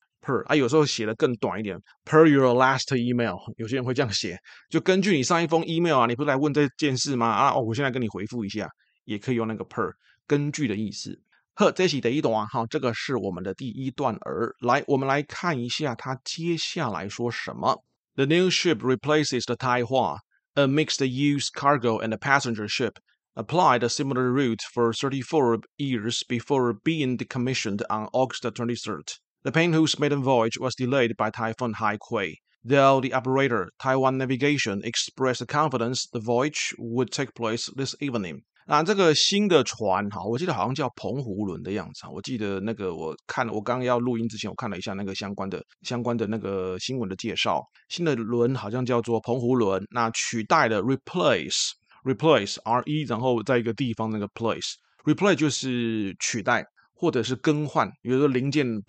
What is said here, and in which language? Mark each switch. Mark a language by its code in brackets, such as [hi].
[zh] per 啊，有时候写的更短一点， [en] per your last email， [zh] 有些人会这样写，就根据你上一封 email 啊，你不是来问这件事吗？啊，哦，我现在跟你回复一下，也可以用那个 per 根据的意思。呵，这是第一段哈，这个是我们的第一段儿，来，我们来看一下它接下来说什么。 [en] The new ship replaces the Taihua, a mixed-use cargo and a passenger ship, applied a similar route for 34 years before being decommissioned on August 23rd. The Penghu's maiden voyage was delayed by Typhoon Haikui, though the operator, Taiwan Navigation, expressed confidence the voyage would take place this evening. [zh] 那这个新的船哈，我记得好像叫澎湖轮的样子。我记得那个我刚要录音之前，我看了一下那个相关的那个新闻的介绍。新的轮好像叫做澎湖轮，那取代的 replace R E，然后在一个地方那个 place replace 就是取代或者是更换，比如说零件。